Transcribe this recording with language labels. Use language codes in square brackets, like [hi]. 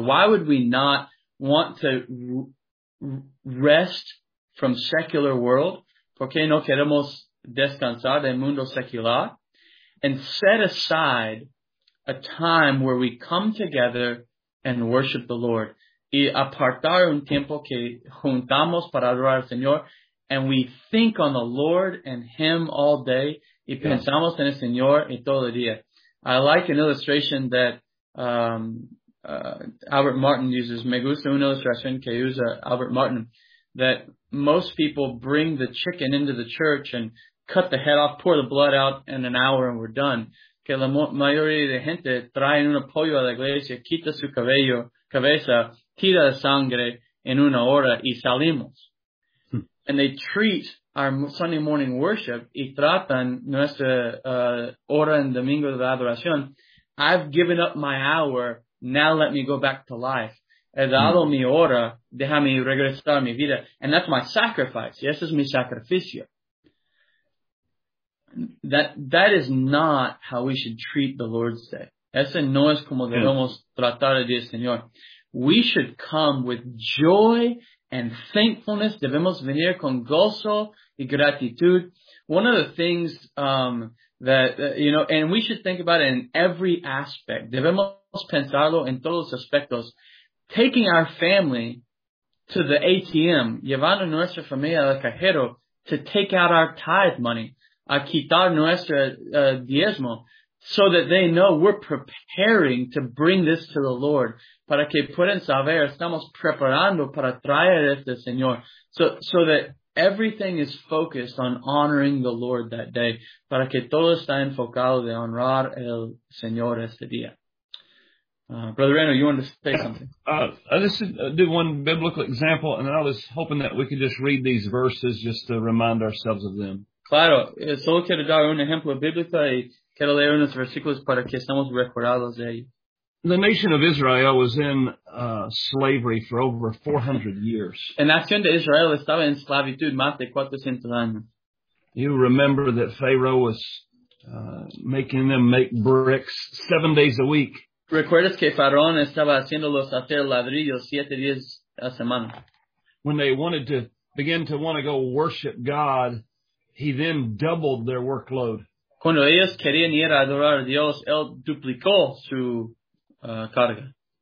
[en] Why would we not want to rest from secular world? [es] ¿Por qué no queremos descansar del mundo secular? [en] And set aside a time where we come together and worship the Lord. [es] Y apartar un tiempo que juntamos para adorar al Señor. [en] And we think on the Lord and Him all day. [es] Y pensamos en el Señor y todo el día. [en] I like an illustration that Albert Martin uses. [es] Me gusta una ilustración que usa Albert Martin. [en] That most people bring the chicken into the church and cut the head off, pour the blood out in an hour and we're done. [es] Que la mayoría de gente trae un pollo a la iglesia, quita su cabeza, tira la sangre en una hora y salimos. [en] And they treat our Sunday morning worship [es] y tratan nuestra hora en domingo de adoración. [en] I've given up my hour, now let me go back to life. [es] He dado mi hora, déjame regresar a mi vida. [en] And that's my sacrifice. [es] Y ese es mi sacrificio. [en] That is not how we should treat the Lord's Day. [es] Ese no es como debemos tratar a Dios Señor. [en] We should come with joy and thankfulness. [es] Debemos venir con gozo y gratitud. [en] One of the things and we should think about it in every aspect. [es] Debemos pensarlo en todos los aspectos. [en] Taking our family to the ATM, [es] llevando nuestra familia al cajero [en] to take out our tithe money, [es] a quitar nuestra diezmo, [en] so that they know we're preparing to bring this to the Lord. [es] Para que puedan saber, estamos preparando para traer este Señor. [en] So that everything is focused on honoring the Lord that day. [es] Para que todo está enfocado de honrar el Señor este día. [en] Brother Reno, you wanted to say something? I'll do one biblical example, and I was hoping that we could just read these verses just to remind ourselves of them. [es] Claro, solo quiero dar un ejemplo bíblico y quiero leer unos versículos para que estemos recordados de ahí. [en] The nation of Israel was in slavery for over 400 years. [es] La nación de Israel estaba en esclavitud más de 400 años. [en] You remember that Pharaoh was making them make bricks 7 days a week. [es] ¿Recuerdas que Faraón estaba haciéndolos hacer ladrillos 7 días a semana? [en] When they wanted to begin to want to go worship God, he then doubled their workload. [es] Cuando ellos querían ir a adorar a Dios, él duplicó su carga.